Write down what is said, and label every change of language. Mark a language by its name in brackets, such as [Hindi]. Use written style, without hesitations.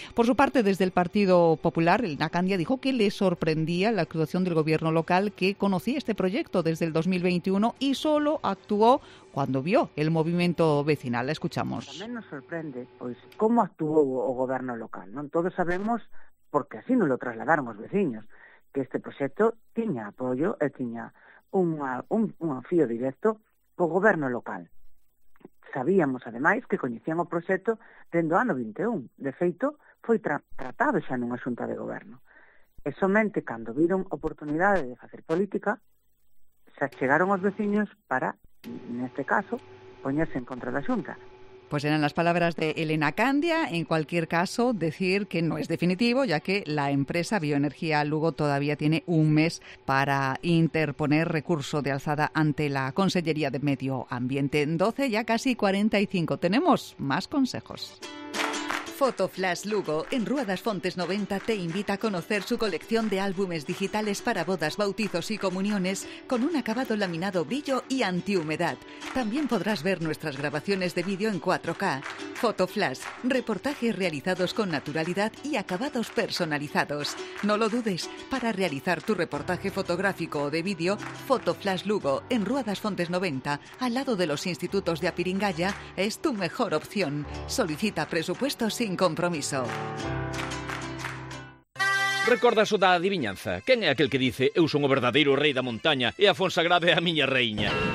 [Spanish] Por su parte, desde el Partido Popular, el Nacandia dijo que le sorprendía la actuación del gobierno local, que conocía este proyecto desde el 2021 y solo actuó cuando vio el movimiento vecinal. La escuchamos. También nos sorprende pues cómo actuó el gobierno local, ¿no? Todos sabemos, porque así nos lo trasladaron los vecinos, que este proyecto tenía apoyo y tenía un fío directo co goberno local. [Galician] Sabíamos, ademais, que coñecían o proxecto dende o ano 21. De feito, foi tratado xa nunha xunta de goberno. E somente cando viron oportunidade de facer política, xa chegaron os veciños para, neste caso, poñerse en contra da xunta. [Spanish] Pues eran las palabras de Elena Candia. En cualquier caso, decir que no es definitivo, ya que la empresa Bioenergía Lugo todavía tiene un mes para interponer recurso de alzada ante la Consellería de Medio Ambiente. 12, ya casi 45. Tenemos más consejos. Foto Flash Lugo, en Ruadas Fontes 90, te invita a conocer su colección de álbumes digitales para bodas, bautizos y comuniones con un acabado laminado brillo y antihumedad. También podrás ver nuestras grabaciones de vídeo en 4K. Foto Flash, reportajes realizados con naturalidad y acabados personalizados. No lo dudes, para realizar tu reportaje fotográfico o de vídeo, Foto Flash Lugo, en Ruadas Fontes 90, al lado de los institutos de Apiringaya, es tu mejor opción. Solicita presupuesto sin compromiso. Recorda su da adivinanza. ¿Quién es aquel que dice [Galician] «Eu son o verdadeiro rei da montaña e a Fonsagrada é a miña reiña»?